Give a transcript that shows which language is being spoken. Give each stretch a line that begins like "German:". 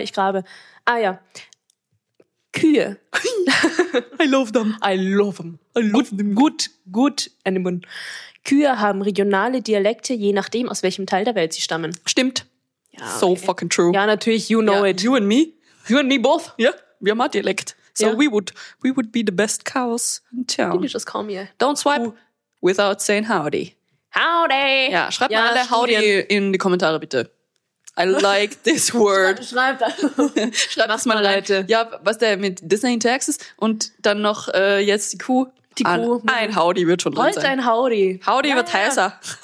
German: ich grabe. Ah ja. Kühe.
English: I love them. Good animal.
German: Kühe haben regionale Dialekte, je nachdem, aus welchem Teil der Welt sie stammen. Stimmt. Ja, okay.
English: So fucking true.
German: Ja, natürlich,
English: you know it. You and me both.
German: Ja, wir haben auch Dialekt.
English: So yeah. we would be the best cows in town. You can just call me. Don't swipe without saying howdy. Howdy.
German: Ja, schreibt mal alle Studien. Howdy in die Kommentare, bitte.
English: I like this word.
German: Schreib das mal, Leute. Ja, was der mit Disney in Texas und dann noch jetzt die Kuh. Ein Howdy wird schon drin sein. Heute ein Howdy. Howdy wird heißer.